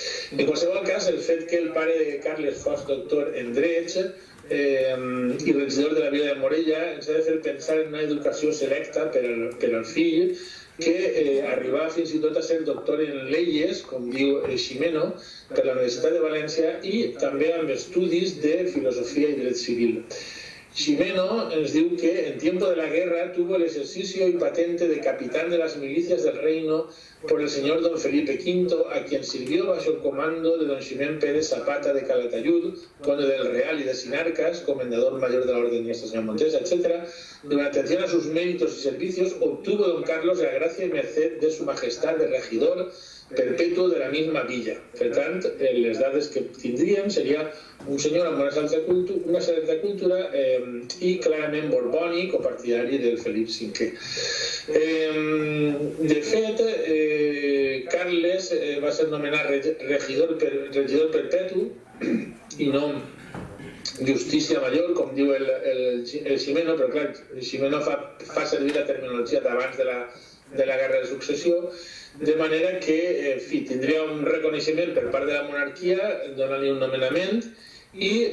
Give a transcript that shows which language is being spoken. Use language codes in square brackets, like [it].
[ca] En qualsevol cas, el fet que el pare de Carles fos doctor en drets i regidor de la Vila de Morella ens ha de fer pensar en una educació selecta per al fill, que arribava fins i tot a ser [es] doctor en leyes, [ca] com diu Ximeno, per la Universitat de València, i també amb estudis de filosofia i dret civil. Ximeno ens diu que [es] en tiempo de la guerra tuvo el ejercicio y patente de capitán de las milicias del reino por el señor don Felipe V, a quien sirvió bajo el comando de don Ximén Pérez Zapata de Calatayud, conde del Real y de Sinarcas, comendador mayor de la Orden de Nuestra Señora Montesa, etc. En atención a sus méritos y servicios, obtuvo don Carlos la gracia y merced de su majestad de regidor perpetuo de la misma villa. [ca] Per tant, les dades que tindríem seria un senyor amb una certa cultura i clarament borbònic o partidari del Felip V. De fet, Carles va ser nomenat regidor perpetu i no justícia major, com diu el Ximeno, però clar, el Ximeno fa servir la terminologia d'abans de la guerra de successió, de manera que, en fi, tindria un reconeixement per part de la monarquia, donant-li un nomenament, i